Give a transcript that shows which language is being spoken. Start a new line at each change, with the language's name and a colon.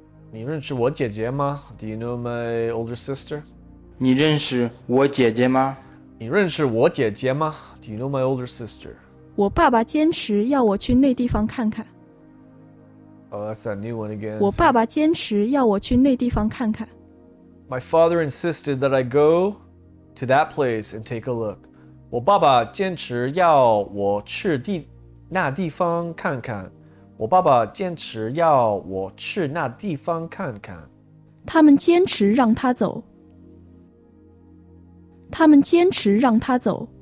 Chinese: 你认识我姐姐吗？
English: Do you know my older sister?
Chinese: 你认识我姐姐吗？你认识我姐姐吗？
English: Do you know my older sister?
Chinese: 我爸爸坚持要我去那地方看看。
English: Oh, that's that new one again.
Chinese: 我爸爸坚持要我去那地方看看。
English: My father insisted that I go to that place and take a look.
Chinese: 我爸爸坚持要我去那地方看看。我爸爸坚持要我去那地方看看。他们坚持让他走。他们坚持让他走。